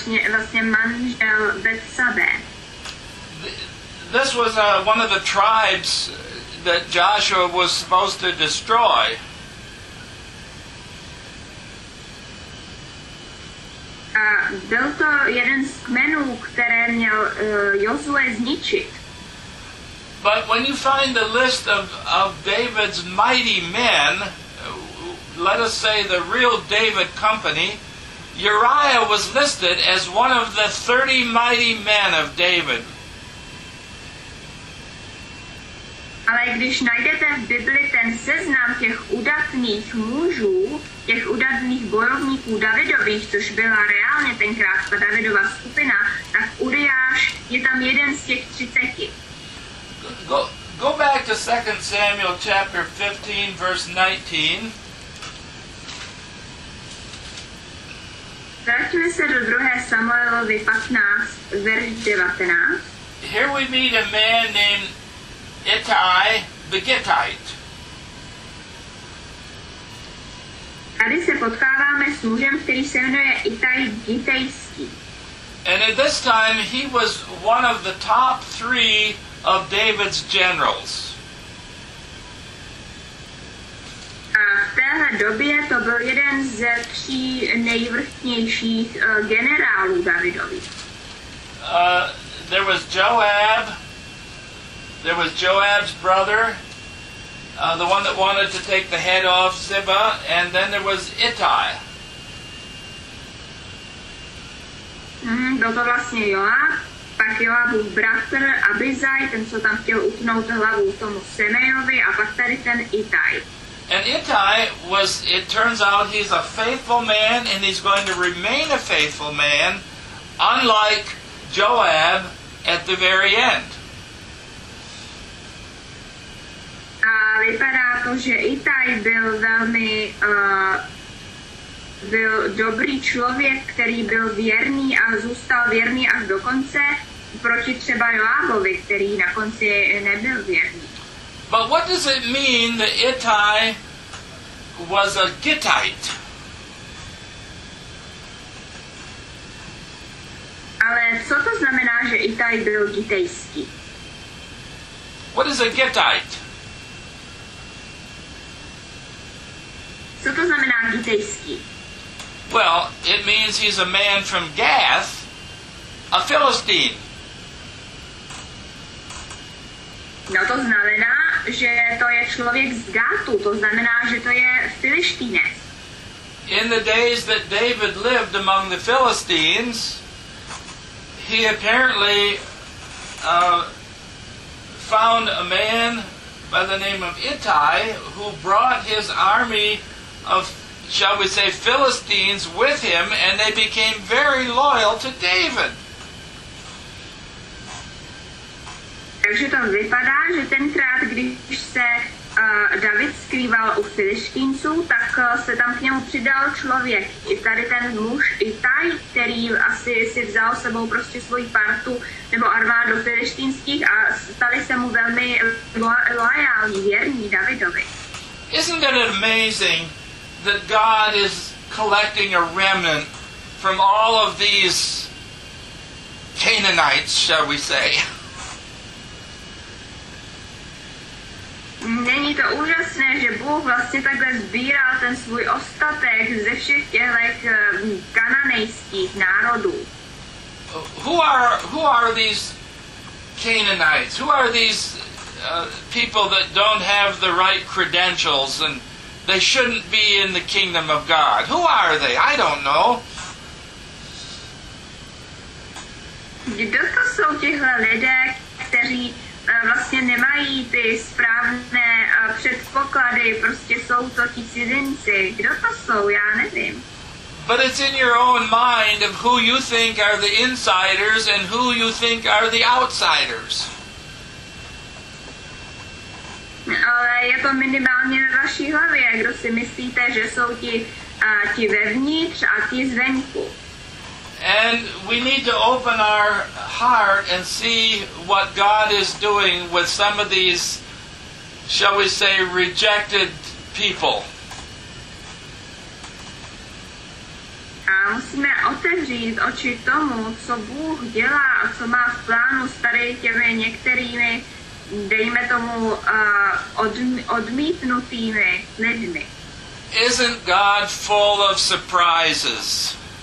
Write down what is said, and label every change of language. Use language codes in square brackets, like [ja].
[cs] Vlastně manžel Betsabe. [en] This was one of the tribes that Joshua was supposed to destroy. [cs] Byl to jeden z kmenů, které měl Josué zničit. [en] But when you find the list of David's mighty men, let us say the real David company, Uriah was listed as one of the 30 mighty men of David. [cs] Ale když najdete v Bibli ten seznam těch udatných mužů, těch udatných bojovníků Davidových, což byla reálně tenkrát ta Davidova skupina, tak Uriáš je tam jeden z těch 30. [en] Go back to 2 Samuel chapter 15, verse 19. [cs] Vrátíme se do 2 Samuelovi 15, verš 19. [en] Here we meet a man named Ittai the Gittite. [cs] Tady se potkáváme s mužem, který se jmenuje Ittai Gittajský. [en] And at this time he was one of the top three of David's generals. [cs] A v téhle době to byl jeden ze tří nejvrchnějších generálů Davidovi. [en] There was Joab. There was Joab's brother, the one that wanted to take the head off Ziba, and then there was Ittai. [cs] Byl to vlastně Joab, pak Joabův bratr Abizaj, ten, co tam chtěl utnout hlavu tomu Semejovi, a pak tady ten Ittai. [en] And Ittai was, it turns out, he's a faithful man, and he's going to remain a faithful man, unlike Joab at the very end. [cs] Vypadá to, že Ittai byl velmi byl dobrý člověk, který byl věrný a zůstal věrný až do konce, proti třeba Joabovi, který na konci nebyl věrný. [en] But what does it mean that Ittai was a Gittite? [cs] Ale co to znamená, že Ittai byl gitejský? [en] What is a Gittite? [cs] Co to znamená gitejský? [en] Well, it means he's a man from Gath, a Philistine. [cs] No to znamená, že to je člověk z Gátu, to znamená, že to je Filištínec. [en] In the days that David lived among the Philistines, he apparently found a man by the name of Ittai who brought his army of, shall we say, Philistines with him, and they became very loyal to David. [cs] Takže to vypadá, že tenkrát, když se David skrýval u Filištínců, tak se tam k němu přidal člověk. I tady ten muž, Itaj, který asi si vzal sebou prostě svoji partu nebo armádu filištínských a stali se mu velmi loajální, věrní Davidovi. [en] Isn't it amazing that God is collecting a remnant from all of these Canaanites, shall we say? [cs] Není to úžasné, že Bůh vlastně takhle sbírá ten svůj ostatek ze všech těch kananejských národů. [en] Who are these Canaanites? Who are these people that don't have the right credentials and they shouldn't be in the kingdom of God? Who are they? I don't know. [cs] Kdo to jsou tihle lidé, kteří vlastně nemají ty správné předpoklady, prostě jsou to ti cizinci? Kdo to jsou? Já nevím. [en] But it's in your own mind of who you think are the insiders and who you think are the outsiders. [cs] Ale je to minimálně ve vaší hlavě, kdo si myslíte, že jsou ti vevnitř a ti zvenku. [en] And we need to open our heart and see what God is doing with some of these, shall we say, rejected people. [cs] A musíme otevřít oči tomu, co Bůh dělá a co má v plánu s tady těmi některými, dejme tomu, odmítnutými lidmi. [en] Isn't God full of surprises?